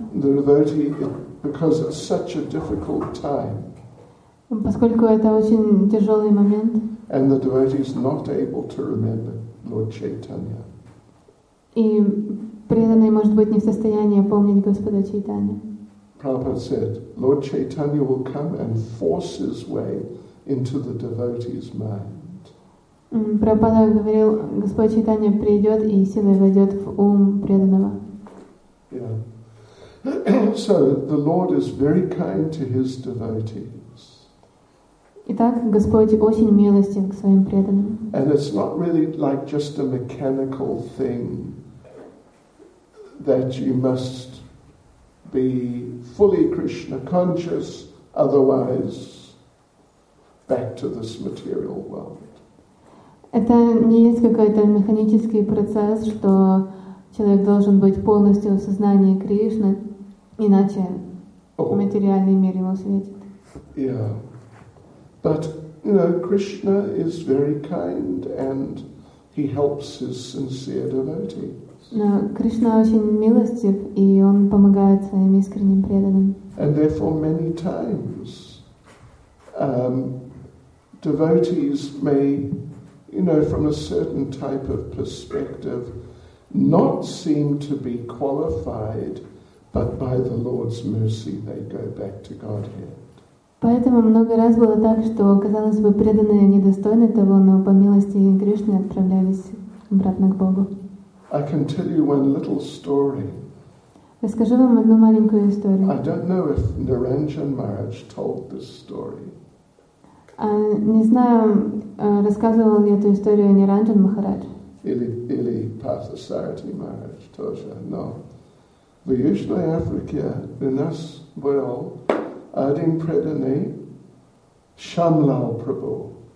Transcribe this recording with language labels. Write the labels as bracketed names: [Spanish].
[English] the devotee, because it's such a difficult time, [Russian] поскольку это очень тяжелый момент, [English] and the devotee is not able to remember Lord Chaitanya, [Russian] и преданный может быть не в состоянии помнить Господа Чайтанью. [English] Prabhupada said, Lord Chaitanya will come and force his way into the devotee's mind. [Russian] Prabhupada говорил, Господь Чайтанья придет и силой войдет в ум преданного. [English] So the Lord is very kind to his devotees. [Russian] Итак, Господь очень милостив к своим преданным. [English] And it's not really like just a mechanical thing that you must be fully Krishna conscious, otherwise back to this material world. [Russian] Это не есть какой-то механический процесс, что человек должен быть полностью в сознании Кришны, иначе материальный мир его светит. [English] Yeah. But, you know, Krishna is very kind and he helps his sincere devotees. [Russian] Но Кришна очень милостив, и он помогает своим искренним преданным. [English] And therefore many times devotees may, you know, from a certain type of perspective, not seem to be qualified, but by the Lord's mercy they go back to Godhead. [Russian] Поэтому много раз было так, что казалось бы, преданные недостойны того, но по милости Кришны отправлялись обратно к Богу. [English] I can tell you one little story. [Russian] Расскажу вам одну маленькую историю. [English] I don't know if Niranjan Maharaj told this story. [Russian] Не знаю, рассказывал ли эту историю Ниранджан Махарадж. Или Парсасарати Махарадж тоже, но в Южной Африке у нас был один преданный Шамлал Прабху.